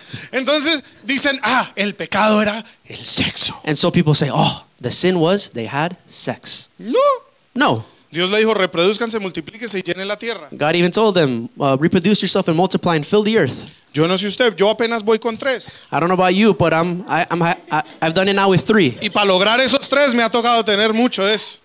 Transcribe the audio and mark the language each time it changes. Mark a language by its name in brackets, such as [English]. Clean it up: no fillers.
[Spanish] Entonces dicen, ah, el pecado era el sexo. [English] And so people say, oh, the sin was they had sex. [Spanish] No. [English] No. [Spanish] Dios le dijo, reproduzcanse, multiplíquense y llenen la tierra. [English] God even told them, reproduce yourself and multiply and fill the earth. [Spanish] Yo no sé usted, yo apenas voy con tres. [English] I don't know about you, but I've done it now with three. [Spanish] Y para lograr esos tres me ha tocado tener mucho eso.